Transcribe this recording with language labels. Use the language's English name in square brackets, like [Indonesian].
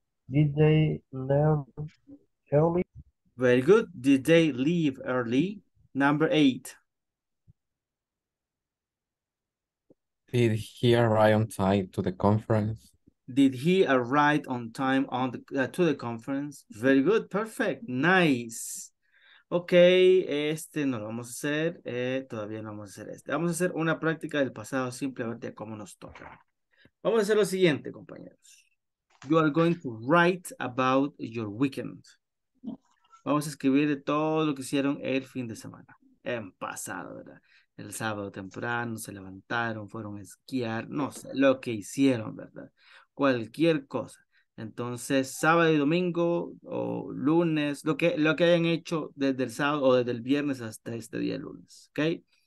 [English] Did they leave early? Very good. Did they leave early? Number eight. Did he arrive on time to the conference? Did he arrive on time on the, to the conference? Very good. Perfect. Nice. [Spanish] Okay, este no lo vamos a hacer, todavía no vamos a hacer este. Vamos a hacer una práctica del pasado simple a ver de cómo nos toca. Vamos a hacer lo siguiente, compañeros. [English] You are going to write about your weekend. [Spanish] Vamos a escribir de todo lo que hicieron el fin de semana, en pasado, ¿verdad? El sábado temprano, se levantaron, fueron a esquiar, no sé, lo que hicieron, ¿verdad? Cualquier cosa. Entonces, sábado y domingo o lunes, lo que hayan hecho desde el sábado o desde el viernes hasta este día lunes, ¿ok?